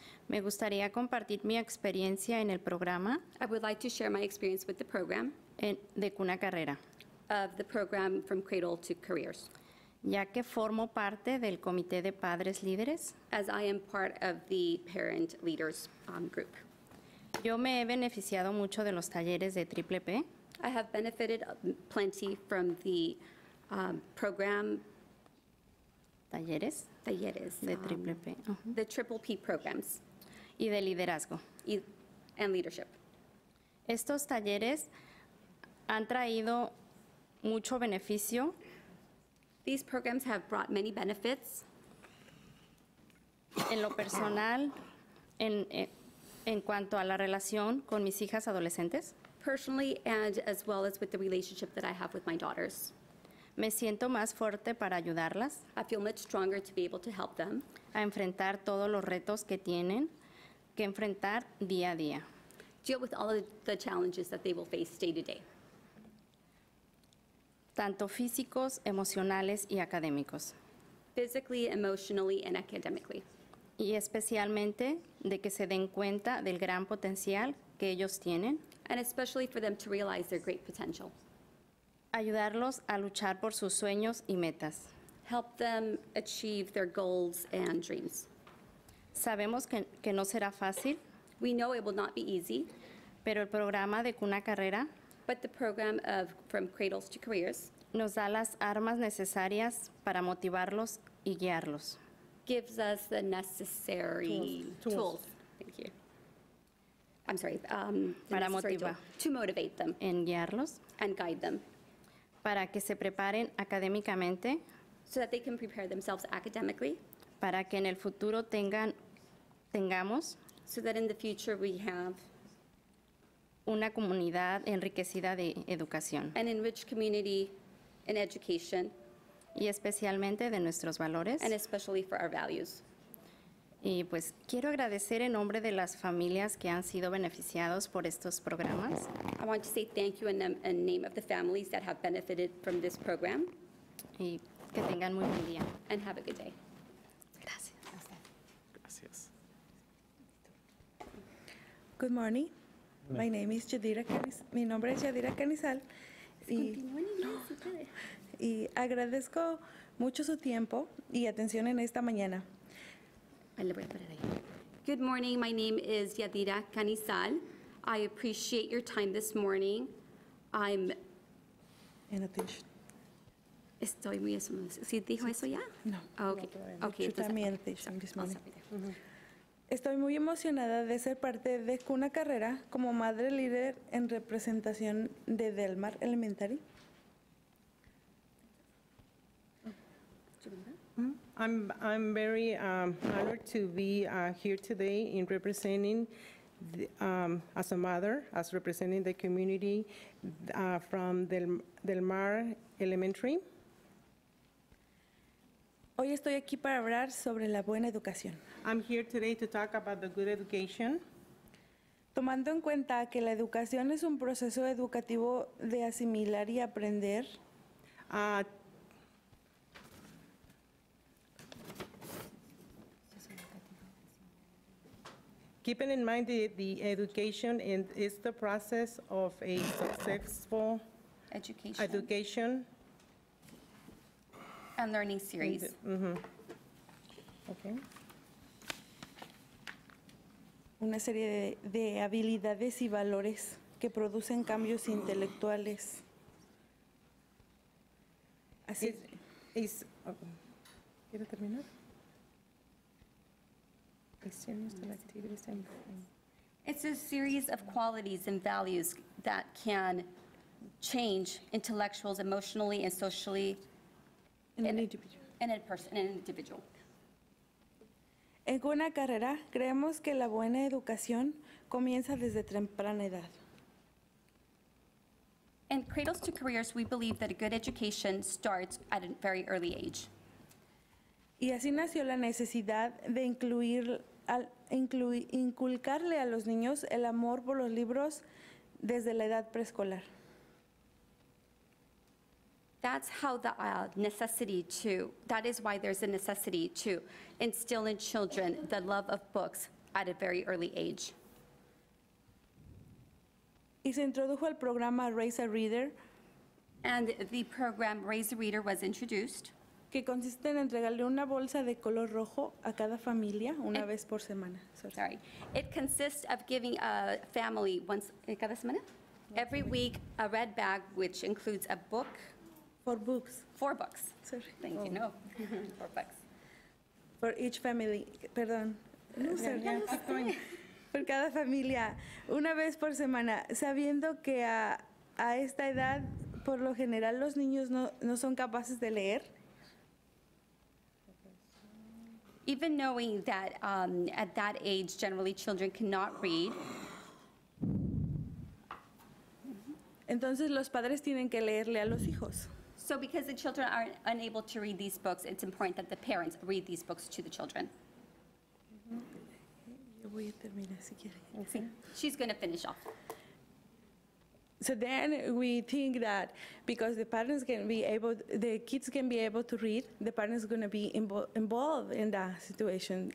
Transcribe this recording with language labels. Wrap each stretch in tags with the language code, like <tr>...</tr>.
<es>Me gustaría compartir mi experiencia en el programa.</es> <en>I would like to share my experience with the program.</en> <es>De cuna a carrera.</es> <en>Of the program from cradle to careers.</en> <es>Ya que formo parte del comité de padres líderes.</es> <en>As I am part of the parent leaders group.</en> <es>Yo me he beneficiado mucho de los talleres de Triple P.</es> <en>I have benefited plenty from the program.</en> <es>Talleres. Talleres. De Triple P.</es> <en>The Triple P programs.</en> <es>Y de liderazgo.</es> <en>And leadership.</en> <es>Estos talleres han traído mucho beneficio.</es> <en>These programs have brought many benefits.</en> <es>En lo personal, en cuanto a la relación con mis hijas adolescentes.</es> <en>Personally and as well as with the relationship that I have with my daughters.</en> <es>Me siento más fuerte para ayudarlas.</es> <en>I feel much stronger to be able to help them.</en> <es>A enfrentar todos los retos que tienen que enfrentar día a día.</es> <en>Deal with all of the challenges that they will face day to day.</en> <es>Tanto físicos, emocionales y académicos.</es> <en>Physically, emotionally, and academically.</en> <es>Y especialmente de que se den cuenta del gran potencial que ellos tienen.</es> <en>And especially for them to realize their great potential.</en> <es>Ayudarlos a luchar por sus sueños y metas.</es> <en>Help them achieve their goals and dreams.</en> <es>Sabemos que no será fácil.</es> <en>We know it will not be easy.</en> <es>Pero el programa de cuna carrera.</es> <en>But the program of From Cradles to Careers.</en> <es>Nos da las armas necesarias para motivarlos y guiarlos.</es> <en>Gives us the necessary tools. Thank you. I'm sorry.</en> <es>Para motivar.</es> <en>To motivate them.</en> <es>En guiarlos.</es> <en>And guide them.</en> <es>Para que se preparen académicamente.</es> <en>So that they can prepare themselves academically.</en> <es>Para que en el futuro tengamos.</es> <en>So that in the future we have.</en> <es>Una comunidad enriquecida de educación.</es> <en>An enriched community in education.</en> <es>Y especialmente de nuestros valores.</es> <en>And especially for our values.</en> <es>Y pues quiero agradecer en nombre de las familias que han sido beneficiados por estos programas.</es> <en>I want to say thank you in name of the families that have benefited from this program.</en> <es>Y que tengan muy buen día.</es> <en>And have a good day.</en> <es>Gracias. Gracias.</es> <en>Good morning. My name is Yadira Canizal.</en> <es>Mi nombre es Yadira Canizal. Y agradezco mucho su tiempo y atención en esta mañana.</es> <en>Good morning. My name is Yadira Canizal. I appreciate your time this morning. I'm in attention.</en> <es>Estoy muy asombrado. ¿Sí dijo eso ya? No.</es> <en>Okay. No, okay.</en> <es>Entonces,</es> <en>I'm in attention this morning.</en> <es>Estoy muy emocionada de ser parte de una carrera como madre líder en representación de Delmar Elementary.</es> <en>I'm very honored to be here today in representing the, as a mother, as representing the community from Delmar Elementary.</en> <es>Hoy estoy aquí para hablar sobre la buena educación.</es> <en>I'm here today to talk about the good education.</en> <es>Tomando en cuenta que la educación es un proceso educativo de asimilar y aprender.</es> <en>Keeping in mind the education and is the process of a successful education and learning series. Mm-hmm. Okay.</en> <es>Una serie de habilidades y valores que producen cambios intelectuales. Así es. ¿Quiere terminar?</es> <en>It's a series of qualities and values that can change intellectuals emotionally and socially in an individual.</en> <es>En una carrera, creemos que la buena educación comienza desde temprana edad.</es> <en>In Cradles to Careers, we believe that a good education starts at a very early age.</en> <es>Y así nació la necesidad de incluir al inculcarle a los niños el amor por los libros desde la edad preescolar.</es> <en>That's how the necessity to, that is why there's a necessity to instill in children the love of books at a very early age.</en> <es>Y se introdujo el programa Raise a Reader.</es> <en>And the program Raise a Reader was introduced.</en> <es>Que consiste en entregarle una bolsa de color rojo a cada familia una vez por semana.</es> <en>Sorry. It consists of giving a family once,</en> <es>cada semana?</es> <en>Every week a red bag which includes a book. Four books. Sorry. Thank you. No. 4 books. For each family.</en> <es>Perdón.</es> <en>No, sir. Yeah.</en> <es>Por cada familia una vez por semana, sabiendo que a esta edad, por lo general, los niños no son capaces de leer.</es> <en>Even knowing that at that age, generally, children cannot read.</en> <es>Entonces, los padres tienen que leerle a los hijos.</es> <en>So because the children are unable to read these books, it's important that the parents read these books to the children. Okay. She's going to finish off. So then we think that because the parents can be able, the kids can be able to read, the parents are going to be involved in that situation.</en>